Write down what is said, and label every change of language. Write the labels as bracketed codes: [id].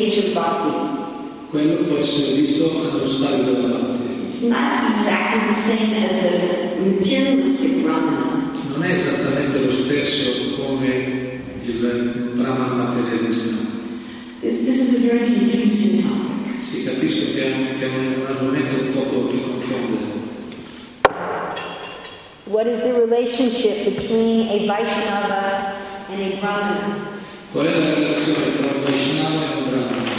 [it] Quello può essere visto allo stadio della Bhakti. [en] It's not exactly the same as a materialistic Brahmana. [it] Non è esattamente lo stesso come il Brahmana materialista. [en] This is a very confusing topic. [it] Si capisce che è un argomento un poco di confondere. [en] What is the relationship between a Vaishnava and a Brahmana? [it] Qual è la relazione tra un Vaishnava e un Brahmana?